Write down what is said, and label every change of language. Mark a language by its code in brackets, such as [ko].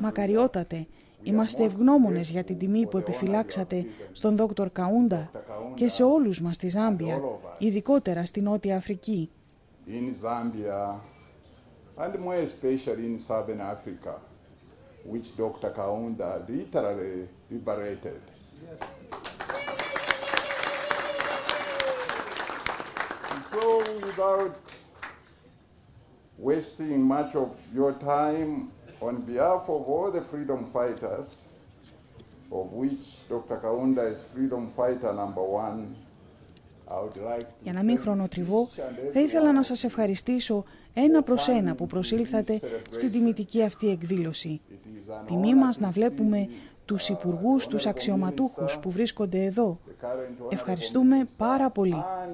[el] Μακαριότατε, είμαστε ευγνώμονες για την τιμή που επιφυλάξατε στον Δόκτωρ Καούντα και σε όλους μας στη Ζάμπια, ειδικότερα στη Νότια Αφρική. [en] In Zambia, and more especially in Southern Africa, which Dr. Kaunda literally liberated. So without wasting much of your time, on behalf of all the freedom fighters, of which Dr. Kaunda is freedom fighter number one, I would like to. [el] Για να μην χρονοτριβώ, θα ήθελα να σας ευχαριστήσω ένα προς ένα που προσήλθατε στην τιμητική αυτή εκδήλωση. Τιμή μας να βλέπουμε τους υπουργούς, τους αξιωματούχους που βρίσκονται εδώ. Ευχαριστούμε πάρα πολύ.